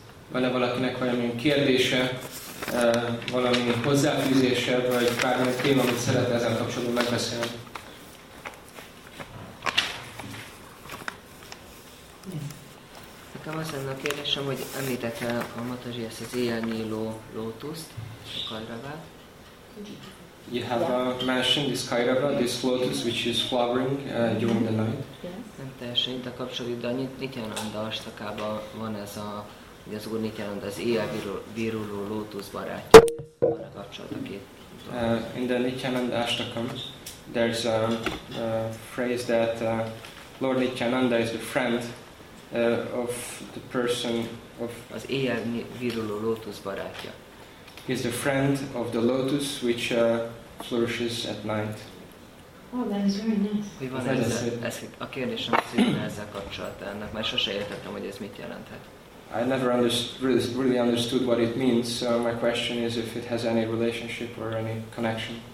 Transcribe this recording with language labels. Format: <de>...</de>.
<hu>Van-e valakinek valami kérdése, valami hozzáfűzése, vagy bármi téma, amit szeretne ezzel kapcsolatban megbeszélni? Nekem azt lenne a kérdésem, hogy említette a Mataji ezt az éjjel nyíló lótuszt, a kajravát.</hu> <en>You have mentioned this kairava, this lotus which is flowering during the night.</en> <hu>Nem teljesen itt a kapcsolat, de Nityananda Ashtakában van ez a, hogy az Úr Nityananda az éjjel viruló lótusz barátja. Van a kapcsolat a két.</hu> <en>In the Nityananda Ashtakam, there's a phrase that Lord Nityananda is the friend of the person of</en> <hu>az éjjel viruló lótusz barátja.</hu> <en>He's the friend of the lotus which flourishes at night. Oh, that is very nice.</en> <hu>Mi van ezzel, a kérdésem ezzel kapcsolatban ennek, mert sose értettem, hogy ez mit jelenthet.</hu> <en>I never really understood what it means, so my question is if it has any relationship or any connection.</en>